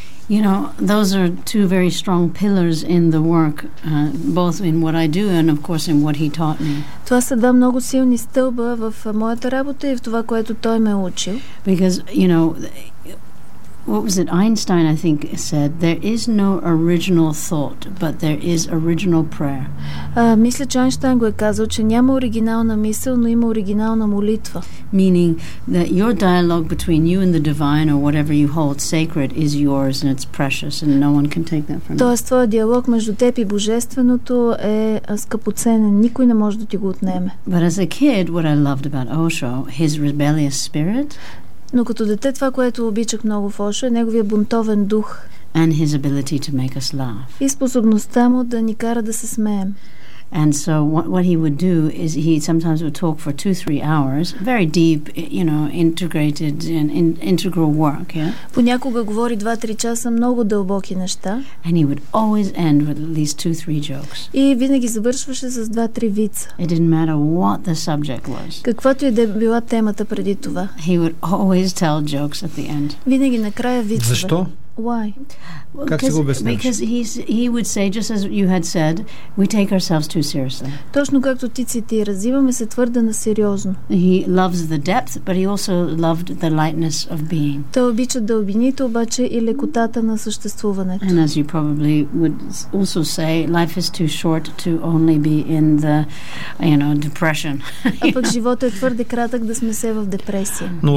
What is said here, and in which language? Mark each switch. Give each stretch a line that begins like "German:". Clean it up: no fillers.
English: You know, those are two very strong pillars in the work, both in what I do and of course in what he taught me.
Bulgarian: Това са два много силни стълба в моята работа и в това, което той ме учил.
English: Because, you know, what was it, Einstein, I think, said, there is no original thought, but there is original prayer.
Bulgarian: Мисля, че Айнщайн го е казал, че няма оригинална мисъл, но има оригинална молитва.
English: Meaning that your dialogue between you and the divine or whatever you hold sacred is yours and it's precious and no one can take that from you.
Bulgarian: Тоест, твоя диалог между теб и Божественото е скъпоценен. Никой не може да ти го отнеме.
English: But as a kid, what I loved about Osho, his rebellious spirit.
Bulgarian: Но като дете това, което обичах много в Ошо, е неговия бунтовен дух.
English: And his ability to make us laugh.
Bulgarian: И способността му да ни кара да се смеем.
English: And so what he would do is he sometimes would talk for 2-3 hours, very deep, you know, integrated and integral work, yeah.
Bulgarian: Понякога говори 2-3 часа много дълбоки неща.
English: And he would always end with at least 2-3 jokes.
Bulgarian: И винаги завършваше с 2-3 вица.
English: It didn't matter what the subject was.
Bulgarian: Каквато и да е била темата преди това.
English: He would always tell jokes at the end.
Bulgarian: Винаги накрая вица. Защо?
English: Why?
Bulgarian: Как си го обясняваш?
English: Because he would say, just as you had said, we take ourselves too seriously.
Bulgarian: Точно както ти цитира, взимаме се твърде на сериозно.
English: He loves the depth, but he also loved the lightness of being.
Bulgarian: Той обича дълбините, обаче и лекотата на съществуването.
English: And as you probably would also say, life is too short to only be in the, you know, depression.
Bulgarian: А пък животът е твърде кратък да сме се в депресия.